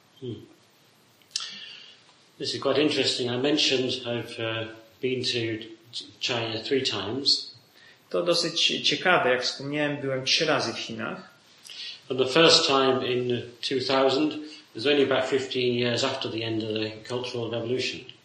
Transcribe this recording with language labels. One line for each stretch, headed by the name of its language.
English: Hmm. This is quite interesting. I mentioned I've been to China 3 times.
Polish: To dosyć ciekawe, jak wspomniałem, byłem 3 razy w Chinach.
English: And the first time in 2000 was only about 15 years after the end of the Cultural Revolution.